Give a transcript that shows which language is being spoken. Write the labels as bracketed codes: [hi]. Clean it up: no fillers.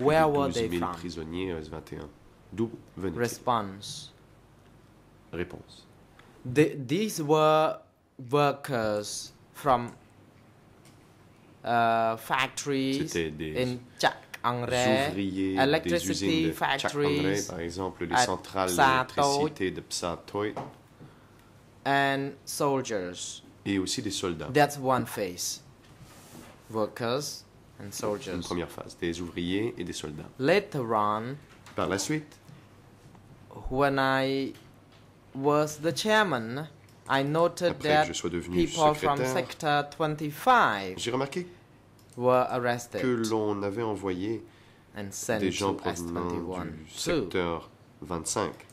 [en] Where were they from? [fr] Prisonniers à S21. D'où venaient-ils? [en] Response. [fr] Réponse. [en] These were workers from factories in Chak Angre, electricity factories, [fr] par exemple, les centrales d'électricité de Psatoy, [en] and soldiers. [fr] Et aussi des soldats. [en] That's one phase. Workers and soldiers. [fr] Une première phase, des ouvriers et des soldats. [en] Later on, [fr] par la suite, [en] when I was the chairman, I noted that people from sector 25 [fr] j'ai remarqué [en] were arrested [fr] que l'on avait envoyé [en] and sent [fr] des gens provenant du secteur 25.